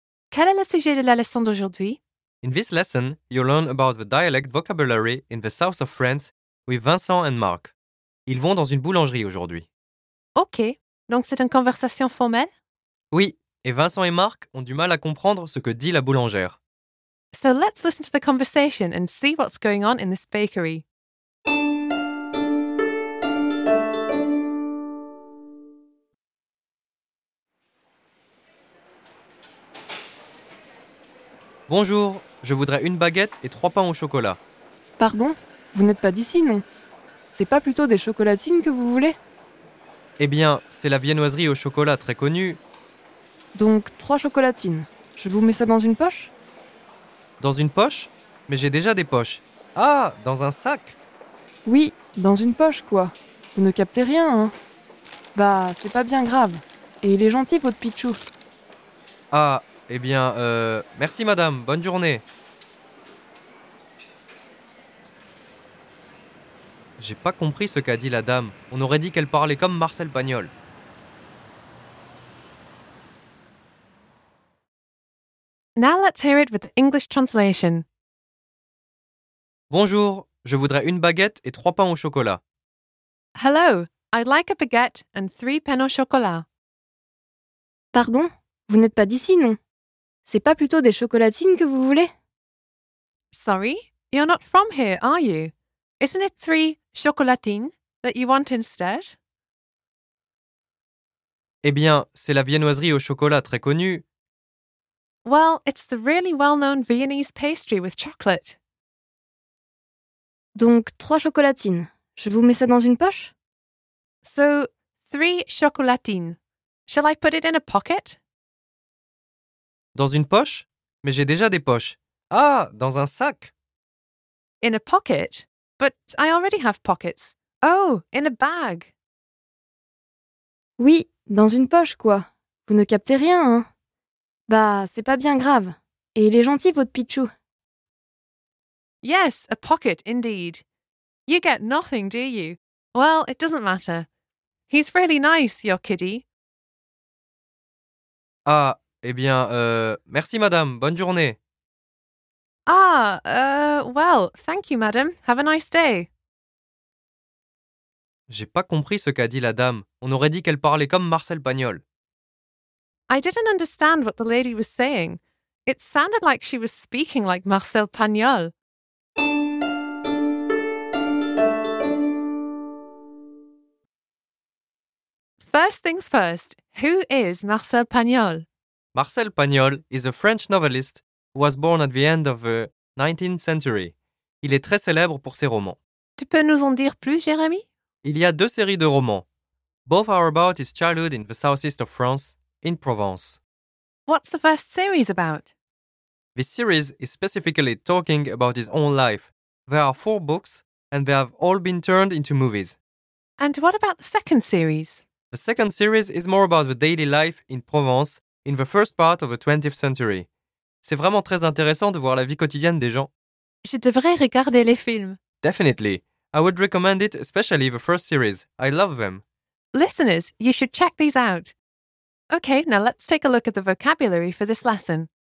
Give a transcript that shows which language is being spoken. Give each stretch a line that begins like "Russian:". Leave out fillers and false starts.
French: Quel est le sujet de la leçon d'aujourd'hui?
English: In this lesson, you'll learn about the dialect vocabulary in the south of France with Vincent and Marc.
French: Ils vont dans une boulangerie aujourd'hui. Ok, donc c'est une conversation formelle? Oui, et Vincent et Marc ont du mal à comprendre ce que dit la boulangère.
English: So let's listen to the conversation and see what's going on in this bakery.
French: Bonjour, je voudrais une baguette et trois pains au chocolat. Pardon, vous n'êtes pas d'ici, non? C'est pas plutôt des chocolatines que vous voulez? Eh bien, c'est la viennoiserie au chocolat très connue. Donc, trois chocolatines. Je vous mets ça dans une poche? Dans une poche? Mais j'ai déjà des poches. Ah, dans un sac? Oui, dans une poche, quoi. Vous ne captez rien, hein? Bah, c'est pas bien grave. Et il est gentil, votre pitchou. Ah, eh bien, merci, madame. Bonne journée. J'ai pas compris ce qu'a dit la dame. On aurait dit qu'elle parlait comme Marcel Pagnol.
English: Now let's hear it with the English translation.
French: Bonjour, je voudrais une baguette et trois pains au chocolat.
English: Hello, I'd like a baguette and three pains au chocolat.
French: Pardon, vous n'êtes pas d'ici, non? C'est pas plutôt des chocolatines que vous voulez?
English: Sorry, you're not from here, are you? Isn't it three chocolatines that you want instead?
French: Eh bien, c'est la viennoiserie au chocolat très connue.
English: Well, it's the really well-known Viennese pastry with chocolate.
French: Donc, trois chocolatines. Je vous mets ça dans une poche?
English: So, three chocolatines. Shall I put it in a pocket?
French: Dans une poche? Mais j'ai déjà des poches. Ah, dans un sac!
English: In a pocket? But I already have pockets. Oh, in a bag!
French: Oui, dans une poche, quoi. Vous ne captez rien, hein? Bah, c'est pas bien grave. Et il est gentil, votre pitchou.
English: Yes, a pocket, indeed. You get nothing, do you? Well, it doesn't matter. He's really nice, your kiddie.
French: Ah, eh bien, merci, madame. Bonne journée.
English: Ah, well, thank you, madame. Have a nice day.
French: J'ai pas compris ce qu'a dit la dame. On aurait dit qu'elle parlait comme Marcel Pagnol.
English: I didn't understand what the lady was saying. It sounded like she was speaking like Marcel Pagnol. First things first, who is Marcel Pagnol? Marcel Pagnol is a French novelist who was born at the end of the 19th century.
French: Il est très célèbre pour ses romans. Tu peux nous en dire plus, Jérémy? Il y a deux séries de romans.
English: Both are about his childhood in the southeast of France. In Provence. What's the first series about? This series is specifically talking about his own life. There are four books and they have all been turned into movies. And what about the second series? The second series is more about the daily life in Provence in the first part of the 20th century.
French: C'est vraiment très intéressant de voir la vie quotidienne des gens. Je devrais regarder les films.
English: Definitely. I would recommend it, especially the first series. I love them. Listeners, you should check these out. Okay, now let's take a look at the vocabulary for this lesson.